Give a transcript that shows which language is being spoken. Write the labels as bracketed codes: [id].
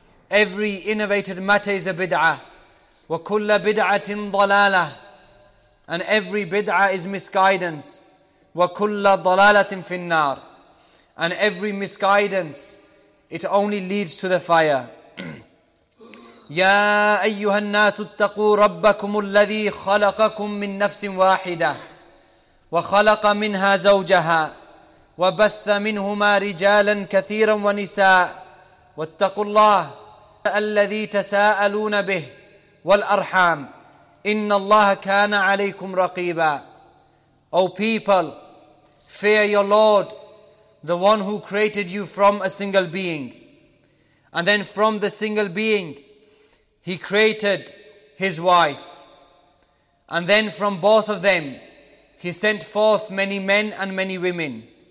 [en] Every innovated matter is a bid'ah. [ar] وَكُلَّ بِدْعَةٍ ضَلَالَةٍ. [en] And every bid'ah is misguidance. [ar] وَكُلَّ ضَلَالَةٍ فِي النَّارِ. [en] And every misguidance, it only leads to the fire. [ar] يَا أَيُّهَا النَّاسُ اتَّقُوا رَبَّكُمُ الَّذِي خَلَقَكُم مِّن نَفْسٍ وَاحِدَةٍ وَخَلَقَ مِنْهَا زَوْجَهَا وَبَثَّ مِنْهُمَا رِجَالًا كَثِيرًا وَنِسَاءً وَاتَّقُوا اللَّهَ الذي تساءلون به والأرحام إن الله كان عليكم رقيبا. [en] O people, fear your Lord, the one who created you from a single being. And then from the single being, He created His wife. And then from both of them, He sent forth many men and many women.